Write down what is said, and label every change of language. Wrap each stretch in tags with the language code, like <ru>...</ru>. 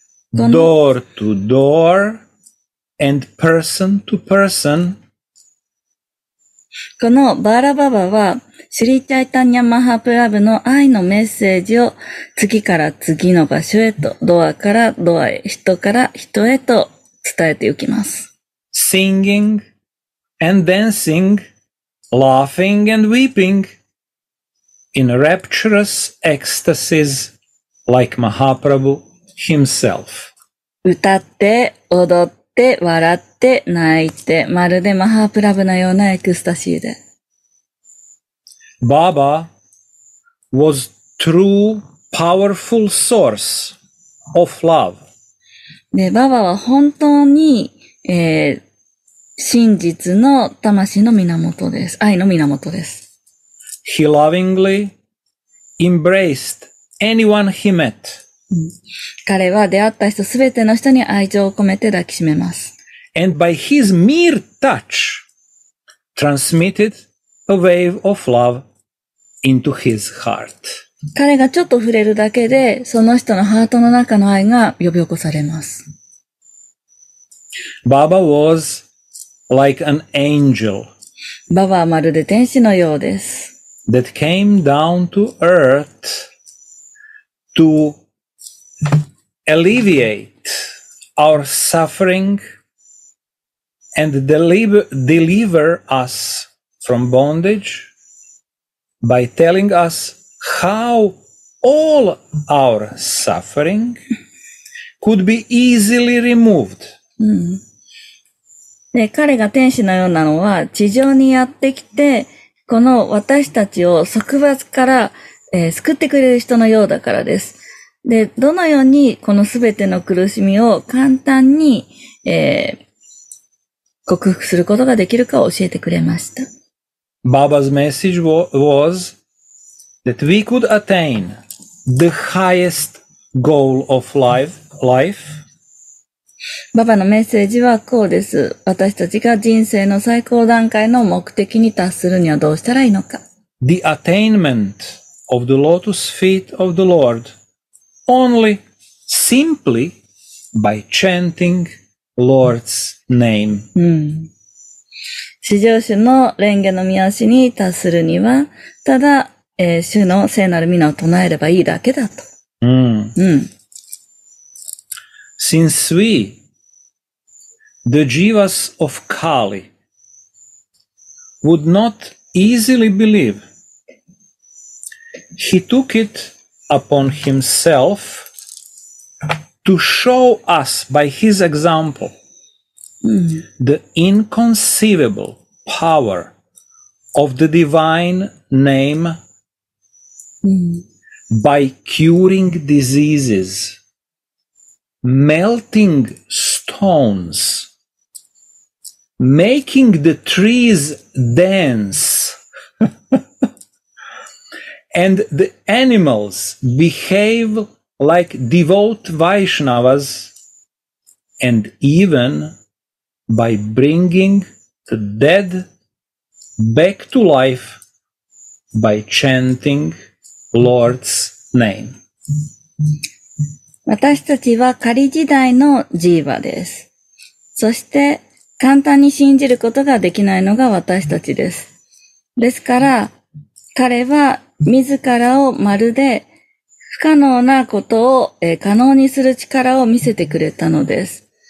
<en>Door to door and person to person.</en> <ja>このバーラババはシリチャイタニャマハプラブの愛のメッセージを次から次の場所へと、ドアからドアへ、人から人へと伝えていきます。</ja> <en>Singing and dancing, laughing and weeping, in rapturous ecstasies like Mahaprabhu himself.</en> <ja>歌って、踊って、笑って、泣いて、まるでマハプラブのようなエクスタシーで。</ja> <en>Baba was true powerful source of love.</en> <ja>で、Baba は本当に、真実の魂の源です。愛の源です。</ja> <en>He lovingly embraced anyone he met.</en> <ja>彼は出会った人すべての人に愛情を込めて抱きしめます。</ja> <en>And by his mere touch transmitted a wave of love. Into his heart.</en> <ja>彼がちょっと触れるだけで、その人のハートの中の愛が呼び起こされます。</ja> <en>Baba was like an angel.</en> <ja>Baba はまるで天使のようです。</ja> <en>that came down to earth to alleviate our suffering and deliver us from bondage by telling us how all our suffering could be easily removed.</en> <ja>で、彼が天使のようなのは地上にやってきて、この私たちを束縛から、救ってくれる人のようだからです。で、どのようにこのすべての苦しみを簡単に、克服することができるかを教えてくれました。</ja> <en>Baba's message was that we could attain the highest goal of life.</en> <ja>ババのメッセージはこうです。私たちが人生の最高段階の目的に達するにはどうしたらいいのか。</ja> <en>The attainment of the lotus feet of the Lord only simply by chanting Lord's name.</en> <ja>至上主の蓮華の御足に達するには、ただ、主の聖なる御名を唱えればいいだけだと。</ja> <en>Since we, the jivas of Kali, would not easily believe, he took it upon himself to show us by his example the inconceivable power of the divine name by curing diseases. Melting stones, making the trees dance, and the animals behave like devout Vaishnavas, and even by bringing the dead back to life by chanting Lord's name.</en> <ja>私たちは仮時代のジーバです。そして簡単に信じることができないのが私たちです。ですから彼は自らをまるで不可能なことを可能にする力を見せてくれたのです。</ja>